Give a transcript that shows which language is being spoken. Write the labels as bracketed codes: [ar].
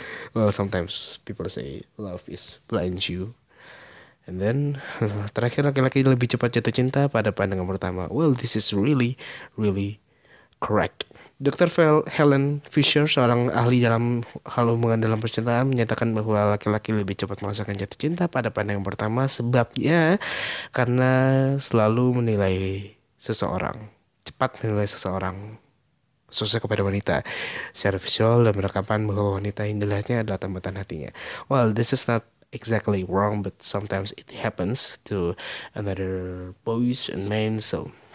[en] Well, sometimes people say love is blind you. And then [id] terakhir, laki-laki lebih cepat jatuh cinta pada pandangan pertama. [en] Well, this is really, really correct. Dr. [id] Helen Fisher, seorang ahli dalam hal hubungan dalam percintaan, menyatakan bahwa laki-laki lebih cepat merasakan jatuh cinta pada pandangan pertama sebabnya karena selalu menilai seseorang, cepat menilai seseorang, khususnya kepada wanita, secara visual dan merekapan bahwa wanita yang dilihatnya adalah tambatan hatinya. [en] Well, this is not exactly wrong, but sometimes it happens to another boys and men, so...